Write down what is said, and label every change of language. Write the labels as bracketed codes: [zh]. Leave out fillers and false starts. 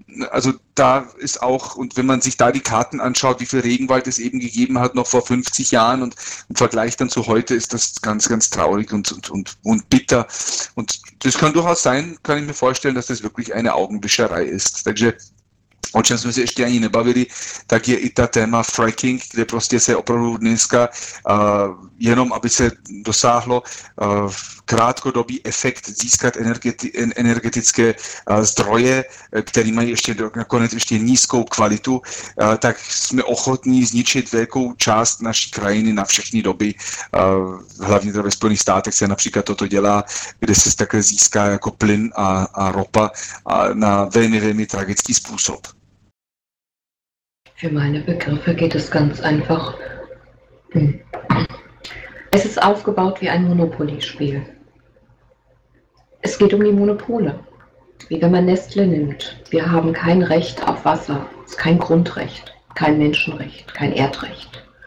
[de] Also da ist auch, und wenn man sich da die Karten anschaut, wie viel Regenwald es eben gegeben hat, noch vor 50 Jahren und im Vergleich dann zu heute, ist das ganz, ganz traurig und bitter. Und das kann durchaus sein, kann ich mir vorstellen, dass das wirklich eine Augenwischerei ist. [cs] Takže, o čem jsme se ještě ani nebavili, tak je i ta téma fracking, kde prostě se opravdu dneska, jenom aby se dosáhlo krátkodobý efekt získat energetické zdroje, které mají ještě nakonec ještě nízkou kvalitu, tak jsme ochotní zničit velkou část naší krajiny na všechny doby. Hlavně to ve Spojených státech se například toto dělá, kde se takhle získá jako plyn a ropa a na velmi, velmi tragický způsob. [de] Für meine Begriffe geht es ganz einfach. Es ist aufgebaut wie ein Monopoly-Spiel. Es geht um die Monopole. Wie wenn man Nestle nimmt. Wir haben kein Recht auf Wasser. Es ist kein Grundrecht, kein Menschenrecht, kein Erdrecht.